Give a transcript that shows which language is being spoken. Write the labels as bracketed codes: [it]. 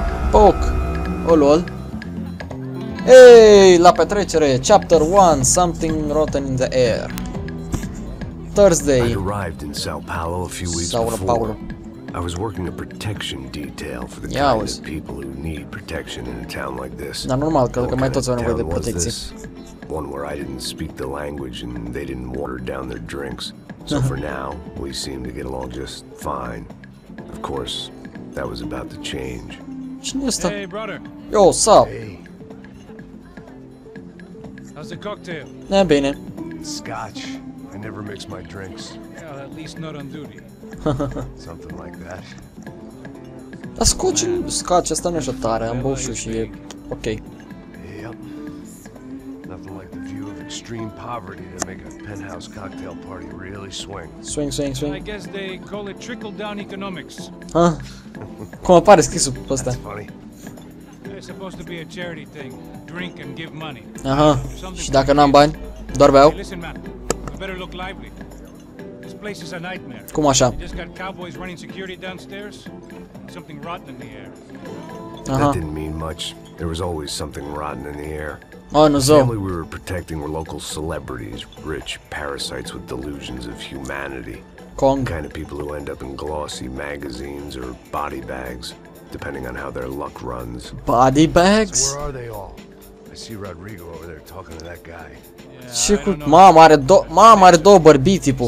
[en] Poc. Oh, lol. Hey, [ro] la petrecere, [en] chapter 1, something rotten in the air. Thursday. I arrived in Sao Paulo a few weeks Sao before. Paulo. I was working a protection detail for the kind of people who need protection in a town like this. [ro] Na normal, cred că mai toți au nevoie de protecție. [en] One where I didn't speak the language and they didn't water down their drinks. So for now, we seem to get along just fine. Of course, that was about to change. [ro] Cine asta? [en] Hey, brother. Yo, what's up? Hey. How's the cocktail? [ro] Eh, bine. [en] Scotch. I never mix my drinks. Yeah, at least not on duty. Something like that. [ro] Dar scotch asta nu e așa tare, am băut și e ok. [en] Yep. Nothing like the view of extreme poverty to make a penthouse cocktail party really swing. Swing. I guess they call it trickle-down economics. Huh? [ro] Cum apare scrisul pe ăsta? [en] It's supposed to be a charity thing. Drink and give money. Aha. [ro] Și dacă n-am bani, doar beau. [en] Listen, man. You better look lively. This place is a nightmare. [ro] Cum așa? [en] Just got cowboys running security downstairs. Something rotten in the air. Aha. That didn't mean much. There was always something rotten in the air. Oh, no, so. The family we were protecting were local celebrities, rich parasites with delusions of humanity. Kong. The kind of people who end up in glossy magazines or body bags, depending on how their luck runs. Body bags? So where are they all? I see Rodrigo over there talking to that guy. [ro] Yeah, are două bărbii, tipul.